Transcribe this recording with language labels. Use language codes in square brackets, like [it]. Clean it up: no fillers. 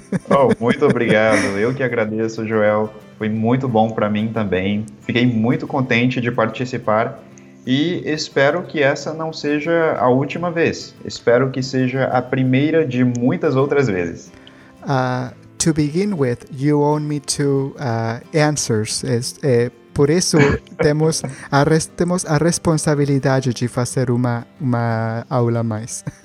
[pt] Oh, muito obrigado. Eu que agradeço, Joel. Foi muito bom para mim também. Fiquei muito contente de participar e espero que essa não seja a última vez. Espero que seja a primeira de muitas outras vezes. [en] To begin with, you owe me two answers. [pt] Por isso, temos a responsabilidade de fazer uma aula mais.